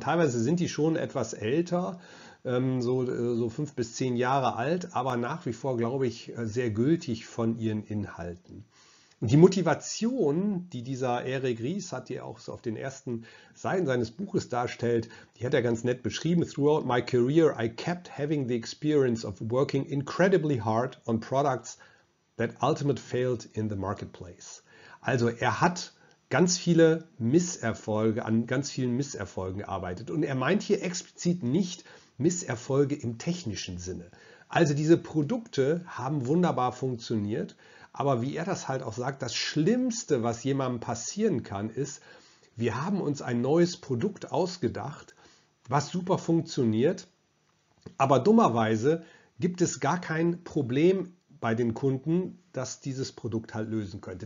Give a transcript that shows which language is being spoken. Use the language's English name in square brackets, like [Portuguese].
[German] Teilweise sind die schon etwas älter, so 5 bis 10 Jahre alt, aber nach wie vor, glaube ich, sehr gültig von ihren Inhalten. Die Motivation, die dieser Eric Ries hat, die er auch so auf den ersten Seiten seines Buches darstellt, die hat er ganz nett beschrieben. [English] Throughout my career, I kept having the experience of working incredibly hard on products that ultimately failed in the marketplace. [German] Also er hat ganz viele Misserfolge, an ganz vielen Misserfolgen gearbeitet. Und er meint hier explizit nicht Misserfolge im technischen Sinne. Also diese Produkte haben wunderbar funktioniert. Aber wie er das halt auch sagt, das Schlimmste, was jemandem passieren kann, ist, wir haben uns ein neues Produkt ausgedacht, was super funktioniert, aber dummerweise gibt es gar kein Problem bei den Kunden, das dieses Produkt halt lösen könnte.